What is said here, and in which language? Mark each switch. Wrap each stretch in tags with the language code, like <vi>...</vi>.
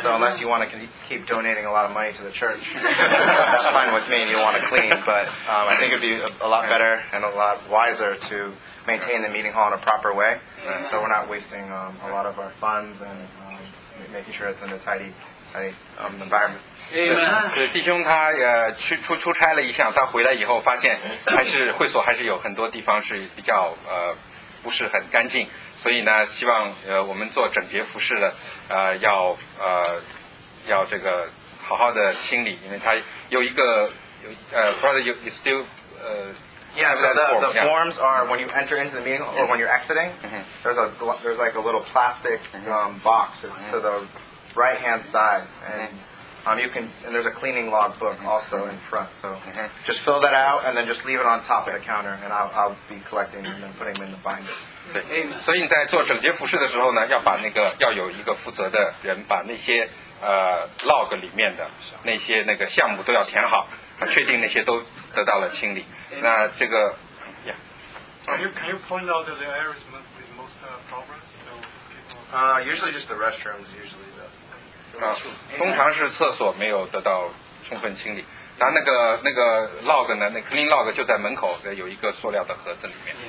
<en>So unless you want to keep donating a lot of money to the church, that's fine with me and you don't want to clean, but I think it would be a lot better and a lot wiser to maintain the meeting hall in a proper way, so we're not wasting a lot of our funds and making sure it's in a tidy environment.</en> <zh>弟兄他出差了一下，他回来以后发现还是会所还是有很多地方是比较不是很干净，所以呢，希望我们做整洁服饰的，要这个好好的清理，因为它有一个</zh> <en>brother, you still Yeah, so the forms are when you enter into the meeting or when you're exiting, there's like a little plastic box. It's to the right hand side. And you can, and there's a cleaning log book also in front. So just fill that out and then just leave it on top of the counter and I'll be collecting them and putting them in the binder.</en> <zh>所以你在做整洁服饰的时候呢，要把那个，要有一个负责的人把那些log 里面的那些那个项目都要填好，确定那些都得到了清理。那这个</zh> <en>Can you point out the areas with most problems? Usually just the restrooms, usually the restroom.</en> <zh>通常是厕所没有得到充分清理，然后那个 log 呢，那 clean log 就在门口的有一个塑料的盒子里面。</zh>